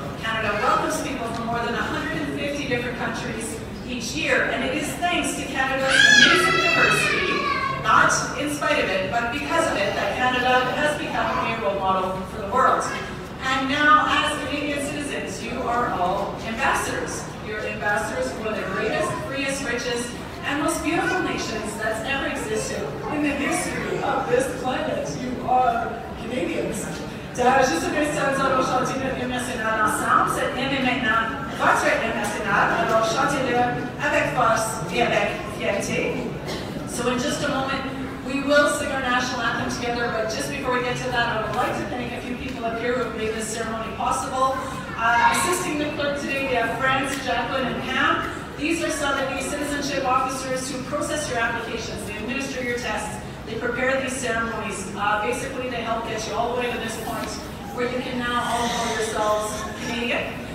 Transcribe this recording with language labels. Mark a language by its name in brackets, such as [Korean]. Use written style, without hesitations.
[English] Canada welcomes people from more than 150 different countries each year, and it is thanks to Canada's amazing diversity, not in spite of it, but because of it, that Canada has become a role model for the world. And now, as Canadian citizens, you are all ambassadors. You're ambassadors for one of the greatest, freest, richest, and most beautiful nations that's ever existed in the history of this planet. You are Canadians. [French] Je suis très heureux de chanter le hymne national ensemble. Cet hymne est maintenant votre hymne national. Alors chantez-le avec force et avec fierté. [English] So in just a moment, we will sing our national anthem together. But just before we get to that, I would like to thank a few people up here who have made this ceremony possible. Assisting the clerk today, we have friends Jacqueline and Pam. These are Sotheby's citizenship officers who process your applications. They administer your tests. They prepare these ceremonies. Basically, they help get you all the way to this point where you can now all call yourselves Canadian.